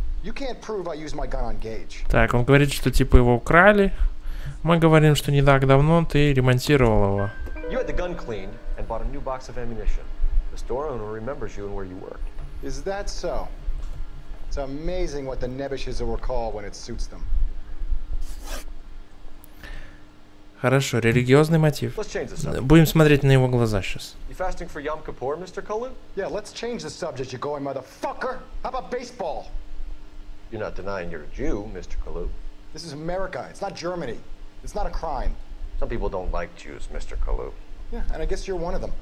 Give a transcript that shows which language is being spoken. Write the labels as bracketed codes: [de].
[en] You can't prove I used my gun on Gage. [ru] Так, он говорит, что типа его украли. Мы говорим, что не так давно ты ремонтировал его. [en] You had the gun cleaned and bought a new box of ammunition. The store owner remembers you and where you worked. Is that so? It's amazing what the nebbishes will recall when it suits them. [ru] Хорошо, религиозный мотив. Будем смотреть на его глаза сейчас. [en] You fasting for Yom Kippur, Mr. Kalu? Yeah, let's change the subject, you going motherfucker. How about baseball? You're not denying you're a Jew, Mr. Kalu. This is America, it's not Germany. It's not a crime. Some people don't like Jews, Mr. Kalu. Yeah, and I guess you're one of them.